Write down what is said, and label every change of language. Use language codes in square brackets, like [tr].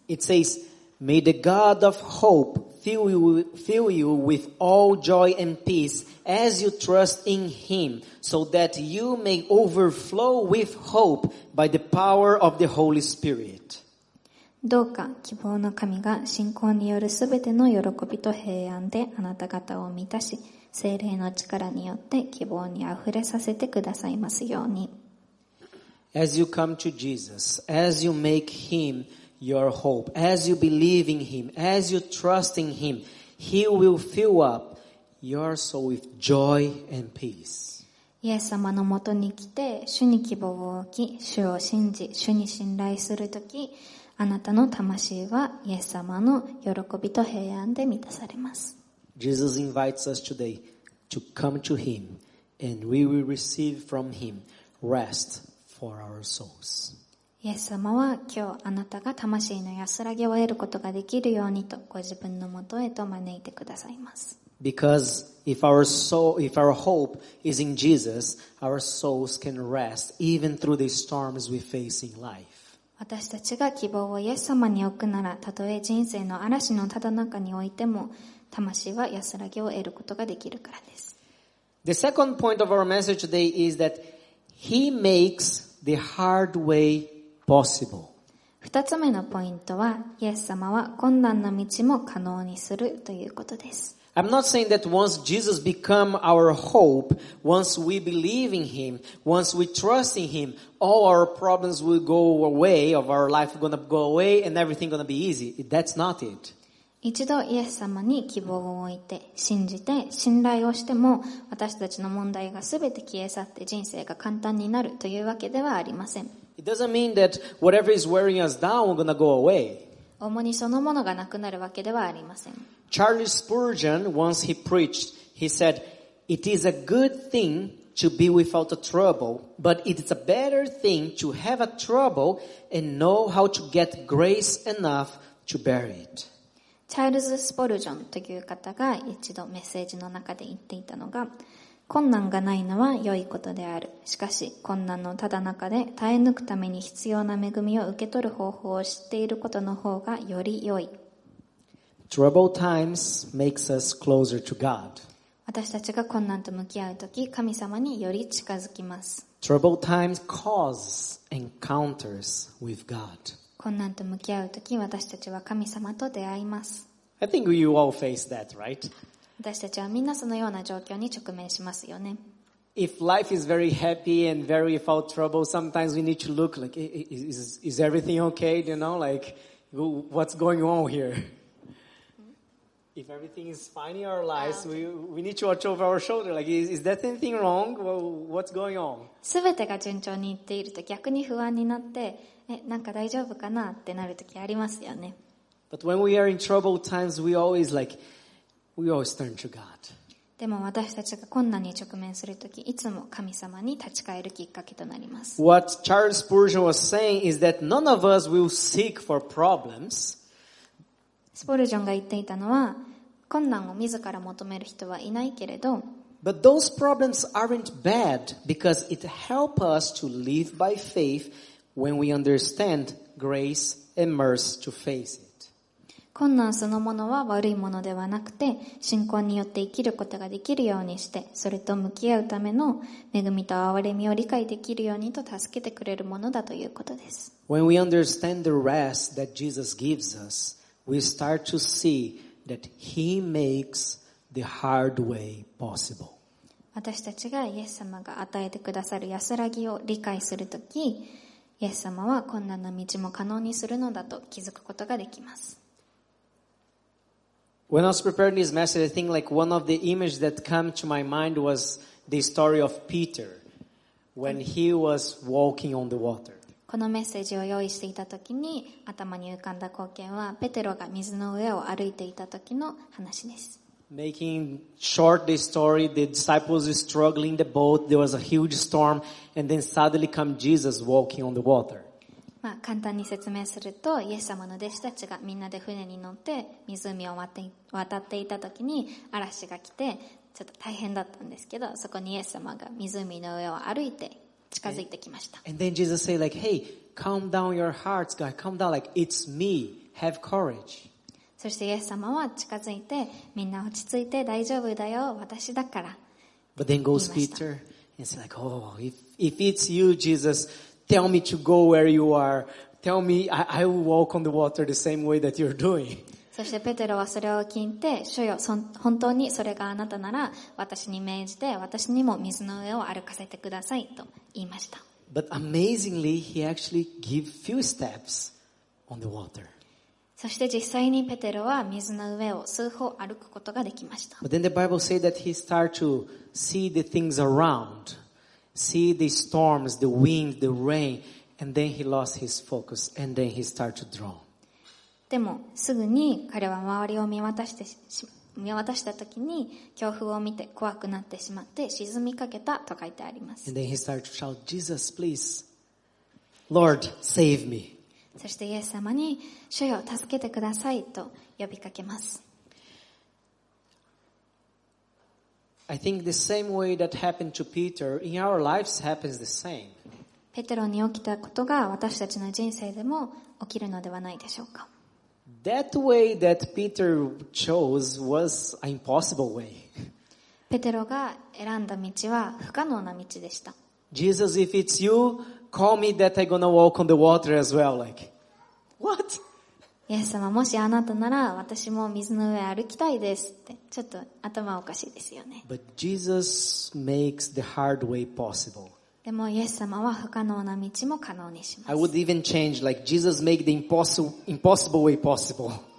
[en] It says, May the God of hope fill you with all joy and peace as you trust in Him, so that you may overflow with hope by the power of the Holy Spirit. [ja] どうか希望の神が信仰によるすべての喜びと平安であなた方を満たし、聖霊の力によって希望にあふれさせてくださいますように。 [en] As you come to Jesus, as you make Him your hope, as you believe in Him, as you trust in Him, He will fill up your soul with joy and peace. [ja] イエス様のもとに来て、主に希望を置き、主を信じ、主に信頼するとき、あなたの魂はイエス様の喜びと平安で満たされます。 [en] Jesus invites us today to come to Him and we will receive from Him rest for our souls. [ja] イエス様は今日あなたが魂の安らぎを得ることができるようにとご自分のもとへと招いてくださいます。 [en] Because if our soul, if our hope is in Jesus, our souls can rest even through the storms we face in life. [ja] 私たちが希望をイエス様に置くなら、たとえ人生の嵐のただ中に置いても、魂は安らぎを得ることができるからです。 [en] The second point of our message today is that He makes the hard way possible. [ja] 2つ目のポイントは、イエス様は困難な道も可能にするということです。 [en] I'm not saying that once Jesus become our hope, once we believe in Him, once we trust in Him, all our problems will go away, of our life will go away, and everything will be easy. That's not it. [ja] 一度イエス様に希望を置いて、信じて、信頼をしても、私たちの問題がすべて消え去って人生が簡単になるというわけではありません。 [en] It doesn't mean that whatever is wearing us down is going to go away. [ja] 重荷そのものがなくなるわけではありません。 [en] Charles Spurgeon, once he preached, he said, It is a good thing to be without a trouble, but it is a better thing to have a trouble and know how to get grace enough to bear it. [ja] チャールズ・スポルジョンという方が一度メッセージの中で言っていたのが、困難がないのは良いことである。しかし、困難のただ中で耐え抜くために必要な恵みを受け取る方法を知っていることの方がより良い。 [en] Troubled times makes us closer to God. [ja] 私たちが困難と向き合うとき、神様により近づきます。 [en] Troubled times cause encounters with God. [ja] 困難と向き合うとき、私たちは神様と出会います。 [en] I think you all face that, right? [ja] 私たちはみんなそのような状況に直面しますよね。 [en] If life is very happy and very without trouble, sometimes we need to look like, is everything okay? You know, like, what's going on here? If everything is fine in our lives, we need to watch over our shoulder. Like, is that anything wrong? What's going on? [ja] 全てが順調にいっていると逆に不安になって、なんか大丈夫かなってなるときありますよね。 [en] But when we are in troubled times, we always like,We always turn to God. [ja] でも私たちが困難に直面するとき、いつも神様に立ち返るきっかけとなります。 [en] What Charles Spurgeon was saying is that none of us will seek for problems. [ja] スポルジョンが言っていたのは、困難を自ら求める人はいないけれど、 [en] But those problems aren't bad because it helps us to live by faith when we understand grace and mercy to face it. [ja] 困難そのものは悪いものではなくて、信仰によって生きることができるようにして、それと向き合うための恵みと憐れみを理解できるようにと助けてくれるものだということです。 [en] When we understand the rest that Jesus gives us, we start to see that He makes the hard way possible. [ja] 私たちがイエス様が与えてくださる安らぎを理解するとき、イエス様は困難な道も可能にするのだと気づくことができます。 [en] When I was preparing this message, I think like one of the images that came to my mind was the story of Peter when he was walking on the water. [ja] このメッセージを用意していた時に頭に浮かんだ光景はペテロが水の上を歩いていた時の話です。 [en] Making short the story, the disciples were struggling in the boat. There was a huge storm, and then suddenly came Jesus walking on the water. [ja] まあ、簡単に説明すると、イエス様の弟子たちがみんなで船に乗って湖を渡っていた時に嵐が来て、ちょっと大変だったんですけど、そこにイエス様が湖の上を歩いて近づいてきました。 [en] And then Jesus said like, hey, calm down your hearts, God, calm down, like, it's me, have courage. [ja] そしてイエス様は近づいて、みんな落ち着いて大丈夫だよ、私だから。 [en] But then goes Peter and said like, oh, if it's you, Jesus,Tell me to go where you are. Tell me, I will walk on the water the same way that you're doing. [ja] そしてペテロはそれを聞いて、主よ、本当にそれがあなたなら、私に命じて、私にも水の上を歩かせてくださいと言いました。 [en] But amazingly, he actually gave few steps on the water. [ja] そして実際にペテロは水の上を数歩歩くことができました。 [en] But then the Bible says that he started to see the things around. See the storms, the wind, the rain, and then he lost his focus, and then he started to drown. [ja] でもすぐに彼は周りを見渡した時に恐怖を見て怖くなってしまって沈みかけたと書いてあります。 [en] And then he started to shout, "Jesus, please, Lord, save me!" [ja] そしてイエス様に主よ助けてくださいと呼びかけます。 [en] I think the same way that happened to Peter in our lives happens the same. [ja] ペテロに起きたことが私たちの人生でも起きるのではないでしょうか。 [en] That way that Peter chose was an impossible way. [ja] ペテロが選んだ道は不可能な道でした。 [en] Jesus, if it's you, call me that I'm gonna walk on the water as well. Like, what? [ja] イエス様もしあなたなら私も水の上歩きたいですってちょっと頭おかしいですよね。 [en] But Jesus makes the hard way possible. [ja] でもイエス様は不可能な道も可能にします。 [en] I would even change like Jesus make the impossible way possible.